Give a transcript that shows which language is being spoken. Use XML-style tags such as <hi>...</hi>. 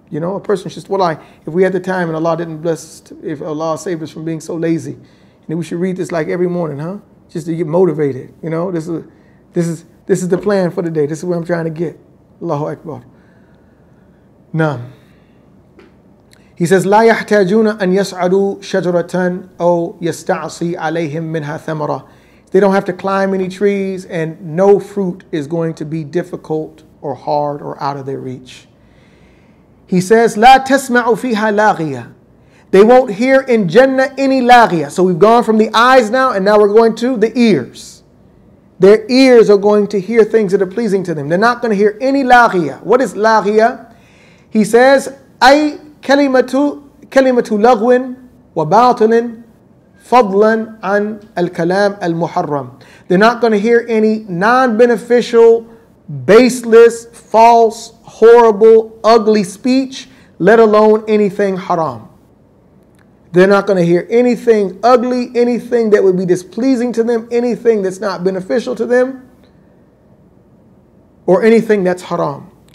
<en>You know, a person should, wallahi, if we had the time and Allah didn't bless, if Allah saved us from being so lazy, and then we should read this like every morning, huh? Just to get motivated. You know, this is the plan for the day. This is where I'm trying to get. Allahu Akbar. None. He says,</en> <ar>لا يحتاجون أن يسعدوا شجرة أو يستعصي عليهم منها ثمرة.</ar> <en>They don't have to climb any trees, and no fruit is going to be difficult or hard or out of their reach. He says,</en> <ar>لا تسمع فيها لاغية.</ar> <en>They won't hear in Jannah any لاغية. So we've gone from the eyes now, and now we're going to the ears. Their ears are going to hear things that are pleasing to them. They're not going to hear any لاغية. What is لاغية? He says,</en> <ar>أي كلمة لغو وباطل فضلا عن الكلام المحرم.</ar> <en>They're not going to hear any non-beneficial, baseless, false, horrible, ugly speech, let alone anything haram. They're not going to hear anything ugly, anything that would be displeasing to them, anything that's not beneficial to them, or anything that's haram.</en>